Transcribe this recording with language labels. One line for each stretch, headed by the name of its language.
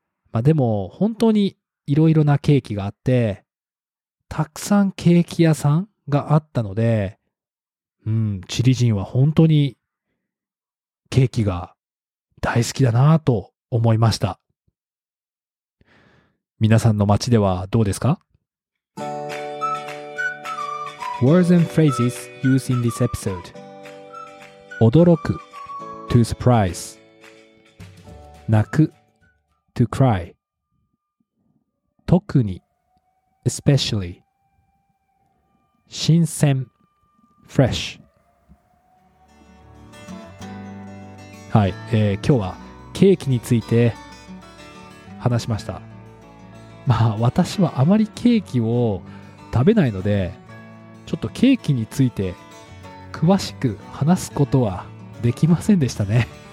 Japanese: まあでも本当にいろいろなケーキがあって、たくさんケーキ屋さんがあったので、うん、チリ人は本当にケーキが大好きだなと思いました。皆さんの街ではどうですか？
English: Words and phrases used in this episode: 驚く to surprise, 泣く to cry, 特に especially, 新鮮 fresh。
Japanese: はい、今日はケーキについて話しました。まあ私はあまりケーキを食べないので、ちょっとケーキについて詳しく話すことはできませんでしたね。